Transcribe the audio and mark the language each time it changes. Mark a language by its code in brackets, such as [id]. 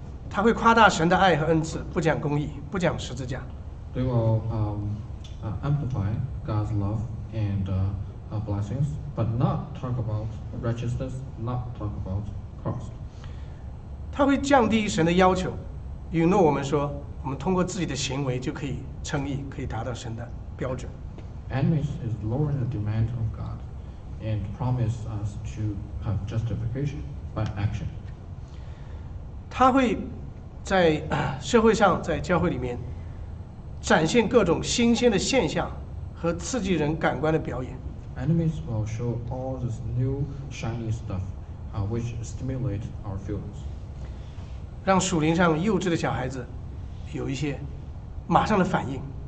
[zh] 他会夸大神的爱和恩赐，不讲公义，不讲十字架。 [en] They will amplify God's love and blessings, but not talk about righteousness, not talk about cross. [zh] 他会降低神的要求，允诺我们说，我们通过自己的行为就可以称义，可以达到神的标准。 [en] Enemies is lowering the demand of God and promise us to have justification by action. [zh] 他会在社会上，在教会里面展现各种新鲜的现象和刺激人感官的表演。 [en] Enemies will show all this new shiny stuff which stimulate our feelings, [zh] 让属灵上幼稚的小孩子有一些马上的反应。